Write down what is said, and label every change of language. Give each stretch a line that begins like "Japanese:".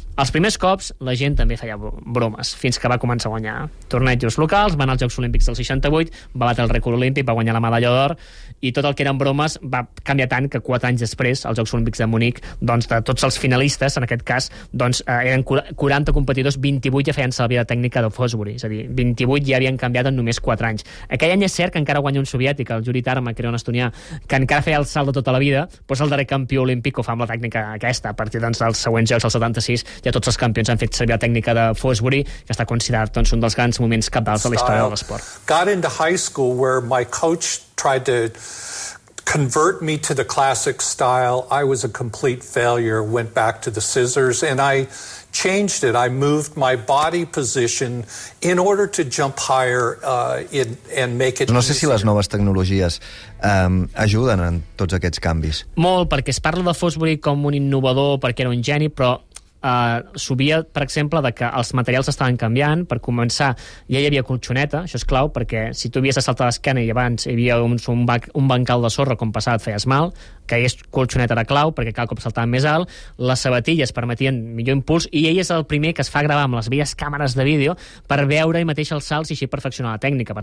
Catalan: Els primers cops, la gent també feia bromes, fins que va començar a guanyar tornejos locals, va anar als Jocs Olímpics del 68, va batre el rècord olímpic, va guanyar la medalla d'or, i tot el que eren bromes va canviar tant que 4 anys després, als Jocs Olímpics de Munic, doncs, de tots els finalistes, en aquest cas, doncs, eren 40 competidors, 28 ja feien servir la tècnica de Fosbury, és a dir, 28 ja havien canviat en només 4 anys. Aquell any és cert que encara guanya un soviètic, el Yuri Tarma, que era un estonià, que encara feia el salt de tota la vida, doncs el darrer campió olímpic ho fa amb la tècnica aquesta. A partir, doncs, dels següents Jocs, el 76, ja tots els campions han fet servir la tècnica de Fosbury, que està considerat, doncs, un dels grans moments capdals de la història de l'esport.
English: Got into high school where my coach tried to convert me to the classic style. I was a complete failure, went back to the scissors, and I changed it. I moved my body position in order to jump higher and make it.
Catalan: No sé si les noves tecnologies ajuden en tots aquests canvis. Molt, perquè es parla de Fosbury com un innovador, perquè era un geni, però subia, per exemple, de que els materials estaven canviant. Per començar, ja hi havia colchoneta, això és clau, perquè si tu havies de saltar d'esquena i abans hi havia un bancal de sorra, com passava, et feies mal, que hi hagués colchoneta era clau, perquè cada cop saltaven més alt, les sabatilles permetien millor impuls, i ell és el primer que es fa gravar amb les velles càmeres de vídeo per veure i mateix els salts i així perfeccionar la tècnica.